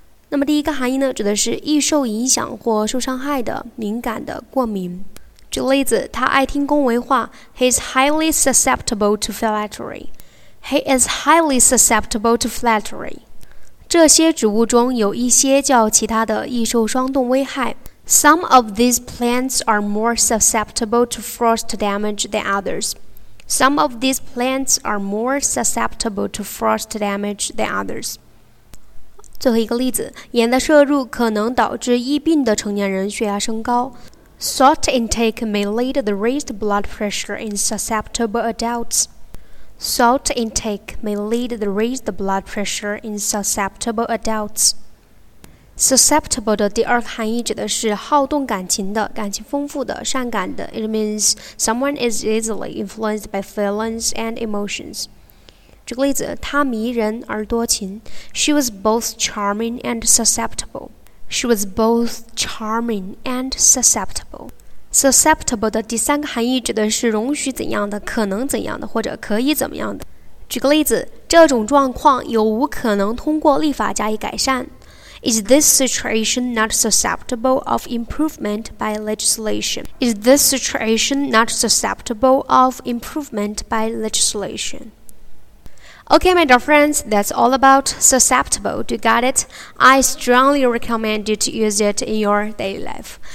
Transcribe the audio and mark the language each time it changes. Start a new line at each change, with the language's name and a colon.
Chinese: 那么第一个含义呢，指的是易受影响或受伤害的、敏感的、过敏。举例子，他爱听恭维话。
English: He is highly susceptible to flattery. He is highly susceptible to flattery.
Chinese: 这些植物中有一些较其他的易受霜冻危害。
English: Some of these plants are more susceptible to frost damage than others. Some of these plants are more susceptible to frost damage than others.
Chinese: 最后一个例子，盐的摄入可能导致疫病的成年人血压升高。
English: Salt intake may lead to the raised blood pressure in susceptible adults. Salt intake may lead to the raised blood pressure in susceptible adults.
Chinese: Susceptible 的第二个含义指的是好动感情的、感情丰富的、善感的。
English: It means someone is easily influenced by feelings and emotions.
Chinese: 举个例子，她迷人而多情。
English: She was both charming and susceptible. She was both charming and susceptible.
Chinese: Susceptible 的第三个含义指的是容许怎样的、可能怎样的或者可以怎么样的。举个例子，这种状况有无可能通过立法加以改善。
English: Is this situation not susceptible of improvement by legislation? Is this situation not susceptible of improvement by legislation? Okay, my dear friends, that's all about susceptible. Do you got it? I strongly recommend you to use it in your daily life.